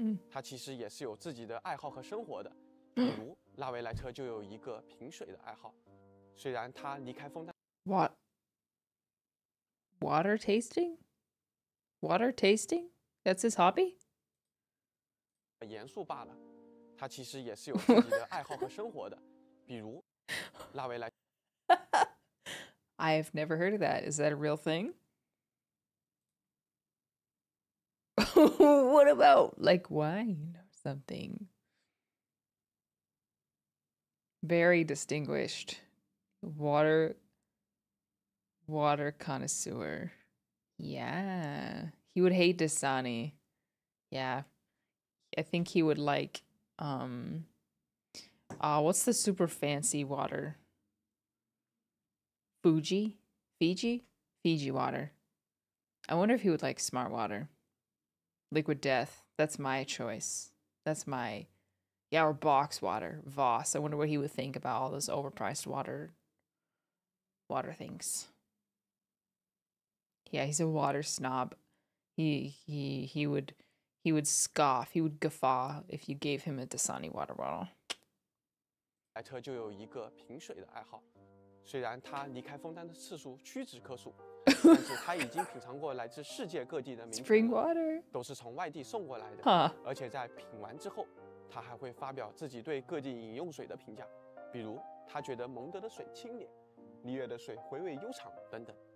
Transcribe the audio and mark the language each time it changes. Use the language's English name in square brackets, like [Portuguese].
[Chinese] 他其实也是有自己的爱好和生活的，比如拉维莱特就有一个品水的爱好，虽然他离开枫丹。 [English] Water tasting? Water tasting? That's his hobby? [Chinese] 严肃罢了，他其实也是有自己的爱好和生活的，比如拉维莱。 [English] I have never heard of that. Is that a real thing? What about like wine or something? Very distinguished. Water connoisseur. Yeah. He would hate Dasani. Yeah. I think he would like, what's the super fancy water? Fiji water. I wonder if he would like smart water. Liquid Death. That's my choice. That's my, yeah, or box water. Voss. I wonder what he would think about all those overpriced water things. Yeah, he's a water snob. He would scoff. He would guffaw if you gave him a Dasani water bottle. [Chinese] 莱特就有一个品水的爱好，虽然他离开枫丹的次数屈指可数，但是他已经品尝过来自世界各地的名品water，都是从外地送过来的。而且在品完之后，他还会发表自己对各地饮用水的评价，比如他觉得蒙德的水清冽，璃月的水回味悠长等等。